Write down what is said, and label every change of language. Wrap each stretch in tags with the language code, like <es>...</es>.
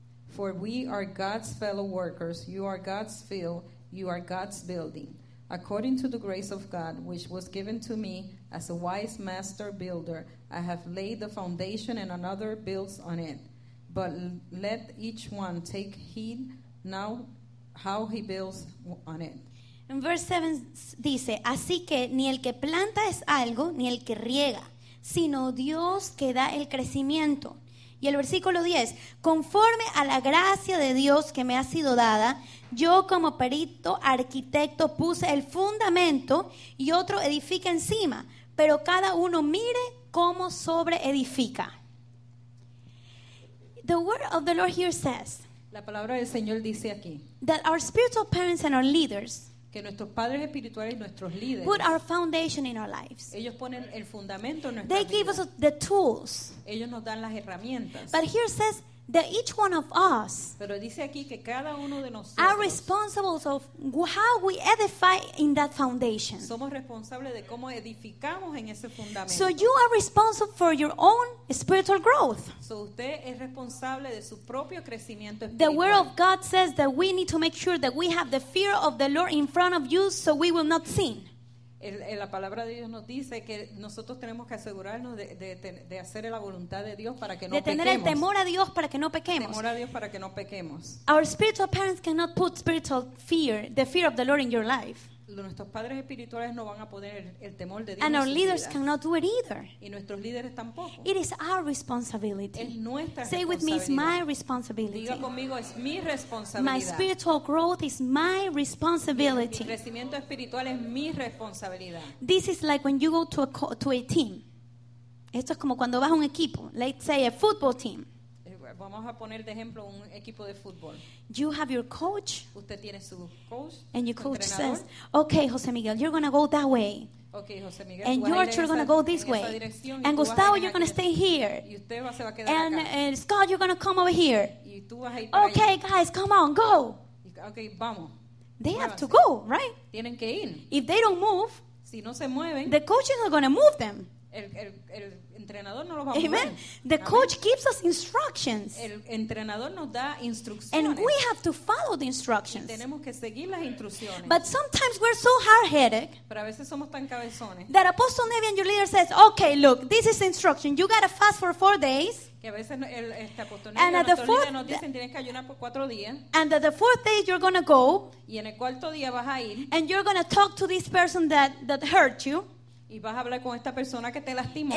<en>For we are God's fellow workers, you are God's field, you are God's building. According to the grace of God, which was given to me as a wise master builder, I have laid the foundation and another builds on it. But let each one take heed now how he builds on it.</en> <es>En verse 7 dice, así que ni el que planta es algo, ni el que riega, sino Dios que da el crecimiento. Y el versículo 10, conforme a la gracia de Dios que me ha sido dada, yo como perito arquitecto puse el fundamento y otro edifica encima, pero cada uno mire cómo sobre edifica.</es> <en>The word of the Lord here says,</en> <es>la palabra del Señor dice aquí,</es> <en>that our spiritual parents and our leaders,</en> <es>que nuestros padres espirituales y nuestros líderes,</es> <en>put our foundation in our lives.</en> <es>Ellos ponen el fundamento en nuestra</es> <en>they</en> <es>vida.</es> <en>Give us the tools.</en> <es>Ellos nos dan las herramientas.</es> <en>But here says that each one of us,</en> <es>pero dice aquí que cada uno de nosotros,</es> <en>are responsible of how we edify in that foundation.</en> <es>Somos responsables de cómo edificamos en ese fundamento.</es> <en>So you are responsible for your own spiritual growth.</en> <es>So usted es responsable de su propio crecimiento espiritual.</es> <en>The word of God says that we need to make sure that we have the fear of the Lord in front of you so we will not sin.</en> <es>La palabra de Dios nos dice que nosotros tenemos que asegurarnos de hacer la voluntad de Dios para que no pequemos. De tener el temor a Dios para que no pequemos. Temor a Dios para que no pequemos.</es> <en>Our spiritual parents cannot put spiritual fear, the fear of the Lord in your life.</en> <es>Nuestros padres espirituales no van a poner el temor de Dios.</es> <en>And our leaders cannot do it either.</en> <es>Y nuestros líderes tampoco.</es> <en>It is our responsibility.</en> <es>Es nuestra responsabilidad.</es> <en>Say with me, it's my responsibility.</en> <es>Diga conmigo, es mi responsabilidad.</es> <en>My spiritual growth is my responsibility.</en> <es>Mi crecimiento espiritual es mi responsabilidad.</es> <en>This is like when you go to a team.</en> <es>Esto es como cuando vas a un equipo.</es> <en>Let's say a football team.</en> <es>Vamos a poner de ejemplo un equipo de fútbol.</es> <en>You have your coach.</en> <es>Usted tiene su coach.</es> <en>And your coach</en> <es>entrenador.</es> <en>Says, "Okay, José Miguel, you're going to go that way." Okay, José Miguel. And George, you're going to go this way. And Gustavo, you're going to stay here.</en> <es>Y usted va, se va a quedar</es> <en>and,</en> <es>acá.</es> <en>And Scott, you're going to come over here.</en> <es>Y tú vas a ir.</es> <en>Okay,</en> <es>allá.</es> <en>Guys, come on, go.</en> <es>Okay, vamos.</es> <en>They have to go, right?</en> <es>Tienen que ir.</es> <en>If they don't move,</en> <es>si no se mueven,</es> <en>the coach is not going to move them.</en> <es>El entrenador no lo va a mover. Amen. The Amen.</es> <en>Coach gives us instructions.</en> <es>El entrenador nos da instrucciones.</es> <en>And we have to follow the instructions.</en> <es>Y tenemos que seguir las instrucciones.</es> <en>But sometimes we're so hard-headed.</en> <es>Pero a veces somos tan cabezones.</es> <en>That Apostle Nevi and your leader says, okay, look, this is instruction. You gotta fast for 4 days.</en> <es>Que a veces este Apostle Nevi</es> <en>and at the fourth,</en> <es>nos dicen, tienes que ayunar por 4 días.</es> <en>And at the fourth day you're gonna go.</en> <es>Y en el cuarto día vas a ir.</es> <en>And you're gonna talk to this person that hurt you.</en> <es>Y vas a hablar con esta persona que te lastimó.</es>